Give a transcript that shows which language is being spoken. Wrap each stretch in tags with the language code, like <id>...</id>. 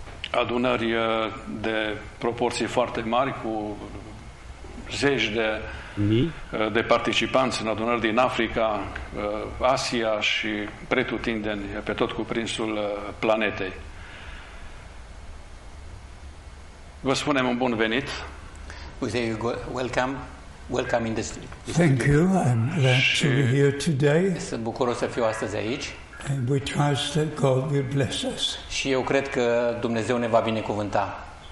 <ro>adunări de proporții foarte mari cu zeci de participanți în adunări din Africa, Asia și pretutindeni pe tot cuprinsul planetei. Vă spunem un bun venit.</ro> <en>We say welcome in the studio. Thank you. I'm glad to be here today.</en> <ro>Sunt bucuros să fiu astăzi aici.</ro> <en>And we trust that God will bless us.</en> <ro>Și eu cred că Dumnezeu ne va binecuvânta.</ro>